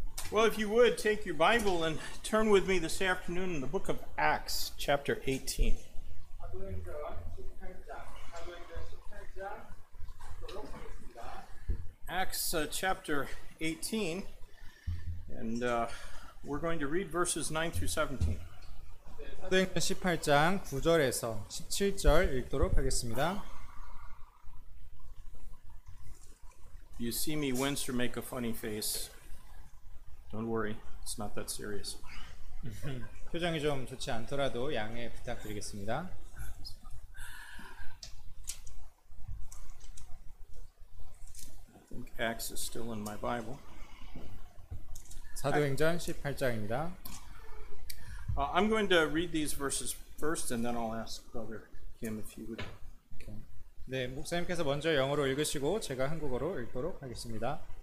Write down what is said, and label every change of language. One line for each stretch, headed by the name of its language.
English: Well, if you would, take your Bible and turn with me this afternoon in the book of Acts, chapter 18. Acts chapter 18, and we're going to read verses 9 through 17.
Korean: 사도행전 18장 9절에서 17절 읽도록 하겠습니다.
English: You see me wince or make a funny face. Don't worry, it's not that serious.
Korean: 표정이 좀 좋지 않더라도 양해 부탁드리겠습니다.
English: I think Acts is still in my Bible.
Korean: 사도행전 18장입니다.
English: I'm going to read these verses first, and then I'll ask Brother Kim if he would. Okay.
Korean: 네, 목사님께서 먼저 영어로 읽으시고 제가 한국어로 읽도록 하겠습니다.